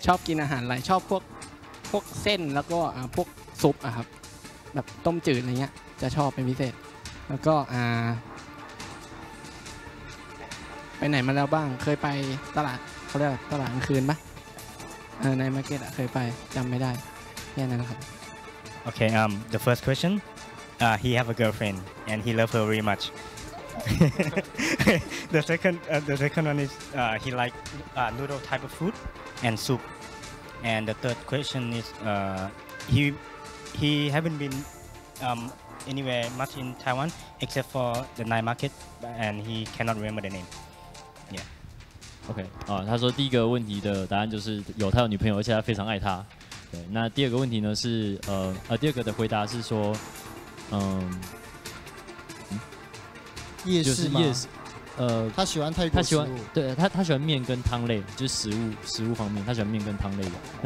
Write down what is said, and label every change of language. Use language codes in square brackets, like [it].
[th] ชอบกินอาหารอะไรชอบพวกเส้นแล้วก็พวกซุปครับแบบต้มจืดอะไรเงี้ยจะชอบเป็นพิเศษแล้วก็ไปไหนมาแล้วบ้างเคยไปตลาดเขาเรียกตลาดกลางคืนปะในมาร์เก็ตเคยไปจำไม่ได้แค่นั้นครับ [en] โอเค the first questionHe have a girlfriend and he loves her very much. the second one is he like noodle type of food and soup. And the third question is he haven't been anywhere much in Taiwan except for the night market and he cannot remember the name. Yeah. Okay. [zh] 他说第一个问题的答案就是有他有女朋友，而且他非常爱她。对，那第二个问题呢是第二个的回答是说。夜市吗？就是夜市，他喜欢泰国食物，对他喜欢面跟汤类，就是食物方面，他喜欢面跟汤类的。